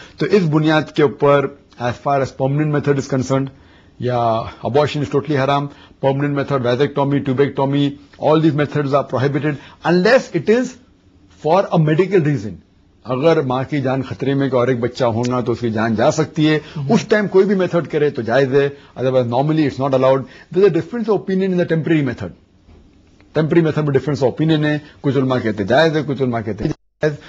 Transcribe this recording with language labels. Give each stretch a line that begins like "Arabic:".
Urdu: تو اس بنیاد کے اوپر
English: As far as permanent method is concerned, یا abortion is totally حرام, permanent method vasectomy tubectomy all these methods are prohibited unless it is for a medical reason.
Urdu: اگر ماں کی جان خطرے میں کہ اور ایک بچہ ہونا تو اس کی جان جا سکتی ہے, اس ٹائم کوئی بھی میتھڈ کرے تو جائز ہے,
English: Otherwise normally it's not allowed. There is a difference of opinion in the temporary method.
Urdu: Temporary method میں ڈفرنس آف اوپینین ہے, کچھ علماء کہتے ہیں جائز ہے, کچھ علماء کہتے ہیں جائز.